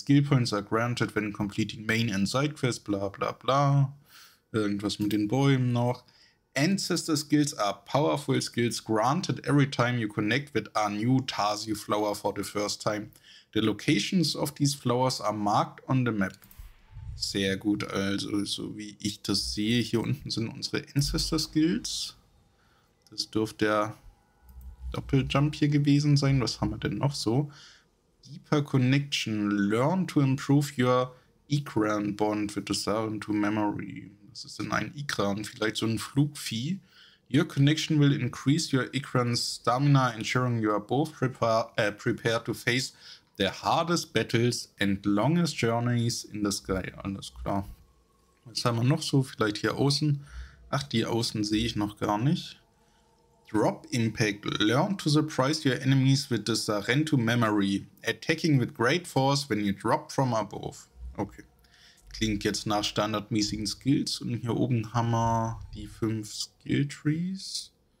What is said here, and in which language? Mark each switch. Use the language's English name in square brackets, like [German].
[English] Skill points are granted when completing main and side quests, bla bla bla. [German] Irgendwas mit den Bäumen noch. [English] Ancestor skills are powerful skills granted every time you connect with a new Tarsio flower for the first time. The locations of these flowers are marked on the map. [German] Sehr gut, also so wie ich das sehe, hier unten sind unsere Ancestor Skills. Das dürfte der Doppeljump hier gewesen sein. Was haben wir denn noch so? Deeper Connection. [English] Learn to improve your Ikran Bond with the Sarentu Memory. [German] Das ist denn ein Ikran, vielleicht so ein Flugvieh. [English] Your connection will increase your Ikran's Stamina, ensuring you are both prepared to face the hardest battles and longest journeys in the sky. [German] Alles klar. Was haben wir noch so? Vielleicht hier außen. Ach, die außen sehe ich noch gar nicht. [English] Drop Impact. Learn to surprise your enemies with the Sarentu Memory. Attacking with great force when you drop from above. [German] Okay. Klingt jetzt nach standardmäßigen Skills. Und hier oben haben wir die 5 Skill Trees.